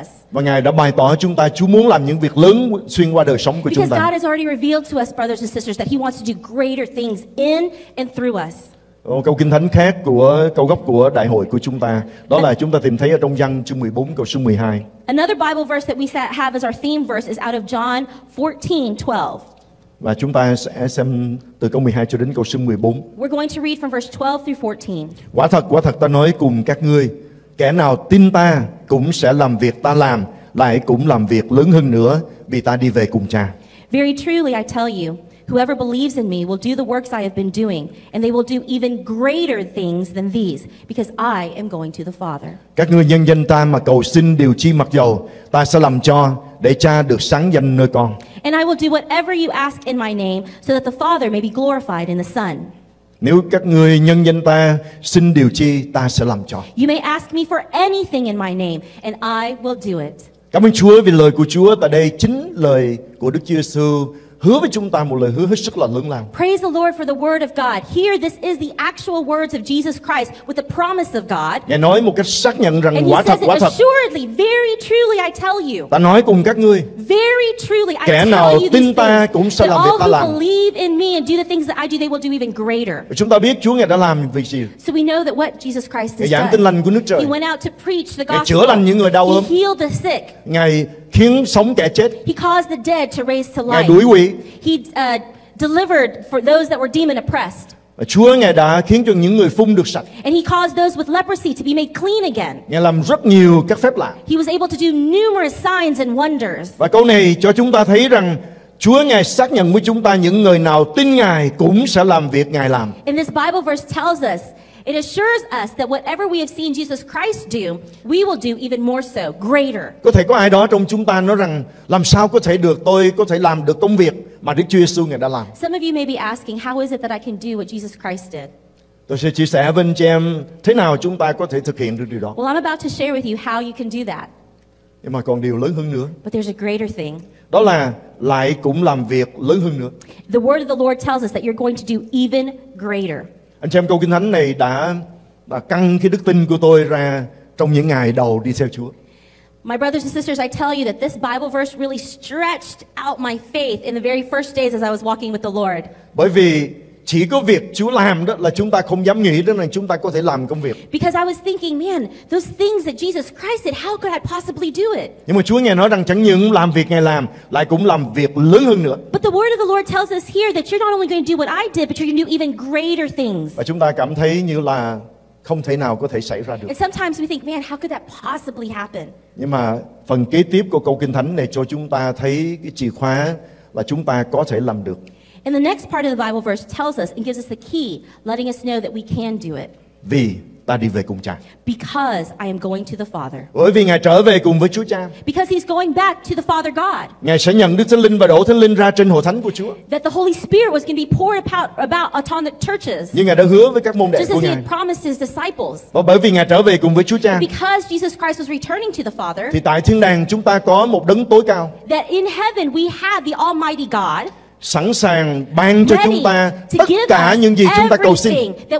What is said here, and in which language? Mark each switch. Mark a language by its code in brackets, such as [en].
[vi] Và Ngài đã bày tỏ chúng ta Chúa muốn làm những việc lớn xuyên qua đời sống của chúng ta. [en] God has already revealed to us, brothers and sisters, that he wants to do greater things in and through us. [vi] Câu kinh thánh khác của câu gốc của đại hội của chúng ta đó là chúng ta tìm thấy ở trong Giăng chương 14 câu số 12. [en] Another Bible verse that we have as our theme verse is out of John 14:12. [vi] Và chúng ta sẽ xem từ câu 12 cho đến câu số 14. [en] We're going to read from verse 12 through 14. [vi] Quả thật ta nói cùng các ngươi, kẻ nào tin ta cũng sẽ làm việc ta làm, lại cũng làm việc lớn hơn nữa vì ta đi về cùng Cha. [en] Very truly I tell you, whoever believes in me will do the works I have been doing, and they will do even greater things than these, because I am going to the Father. [vi] Các ngươi nhân danh ta mà cầu xin điều chi mặc dầu, ta sẽ làm cho, để Cha được sáng danh nơi con. [en] And I will do whatever you ask in my name, so that the Father may be glorified in the Son. [vi] Nếu các ngươi nhân danh ta xin điều chi, ta sẽ làm cho. [en] You may ask me for anything in my name, and I will do it. [vi] Cảm ơn Chúa vì lời của Chúa tại đây chính lời của Đức Chúa Giêsu. Hứa với chúng ta một lời hứa hết sức là lớn lao. [en] Praise the Lord for the word of God. Here this is the actual words of Jesus Christ with the promise of God. [vi] Ngài nói một cách xác nhận rằng quả thật, quả thật. [en] Assuredly, very truly I tell you. [vi] Ta nói cùng các ngươi. [en] Very truly I tell you. [vi] Kẻ nào tin ta cũng sẽ làm việc ta làm. [en] All who believe in me and do the things that I do, they will do even greater. [vi] Chúng ta biết Chúa Ngài đã làm việc gì. [en] So we know that what Jesus Christ has done. [vi] Ngài giảng tin lành của nước trời. [en] He went out to preach the gospel. [vi] Ngài chữa lành những người đau ốm. [en] He healed the sick. [vi] Ngài khiến sống kẻ chết. [en] He caused the dead to raise to life. [vi] Ngài đuổi quỷ. [en] He delivered for those that were demon oppressed. [vi] Và Chúa Ngài đã khiến cho những người phun được sạch. [en] And he caused those with leprosy to be made clean again. [vi] Ngài làm rất nhiều các phép lạ. [en] He was able to do numerous signs and wonders. [vi] Và câu này cho chúng ta thấy rằng Chúa Ngài xác nhận với chúng ta những người nào tin Ngài cũng sẽ làm việc Ngài làm. [en] And this Bible verse tells us, it assures us that whatever we have seen Jesus Christ do, we will do even more so, greater. [vi] Có thể có ai đó trong chúng ta nói rằng làm sao có thể được tôi có thể làm được công việc mà Đức Chúa Giêsu Ngài đã làm. [en] Some of you may be asking, how is it that I can do what Jesus Christ did? [vi] Tôi sẽ chia sẻ với anh chị em thế nào chúng ta có thể thực hiện được điều đó. [en] Well, I'm about to share with you how you can do that. [vi] Nhưng mà còn điều lớn hơn nữa. [en] But there's a greater thing. [vi] Đó là lại cũng làm việc lớn hơn nữa. [en] The word of the Lord tells us that you're going to do even greater. [vi] Anh xem câu kinh thánh này đã căng cái đức tin của tôi ra trong những ngày đầu đi theo Chúa. [en] My brothers and sisters, I tell you that this Bible verse really stretched out my faith in the very first days as I was walking with the Lord. [vi] Bởi vì chỉ có việc Chúa làm đó là chúng ta không dám nghĩ đến là chúng ta có thể làm công việc. [en] Because I was thinking, man, those things that Jesus Christ did, how could I possibly do it? [vi] Nhưng mà Chúa Ngài nói rằng chẳng những làm việc Ngài làm, lại cũng làm việc lớn hơn nữa. [en] But the word of the Lord tells us here that you're not only going to do what I did, but you're going to do even greater things. [vi] Và chúng ta cảm thấy như là không thể nào có thể xảy ra được. [en] And sometimes we think, man, how could that possibly happen? [vi] Nhưng mà phần kế tiếp của câu kinh thánh này cho chúng ta thấy cái chìa khóa là chúng ta có thể làm được. [en] And the next part of the Bible verse tells us and gives us the key, letting us know that we can do it. [vi] Vì ta đi về cùng Cha. [en] Because I am going to the Father. [vi] Bởi vì Ngài trở về cùng với Chúa Cha. [en] Because he's going back to the Father God. [vi] Ngài sẽ nhận Đức Thánh Linh và đổ Thánh Linh ra trên hội thánh của Chúa. [en] That the Holy Spirit was going to be poured about upon the churches. [vi] Như Ngài đã hứa với các môn đệ của Ngài. [en] Just as he had promised his disciples. [vi] Và bởi vì Ngài trở về cùng với Chúa Cha. [en] And because Jesus Christ was returning to the Father. [vi] Thì tại thiên đàng chúng ta có một đấng tối cao. [en] That in heaven we have the Almighty God. [vi] Sẵn sàng ban cho chúng ta tất cả những gì chúng ta cầu xin.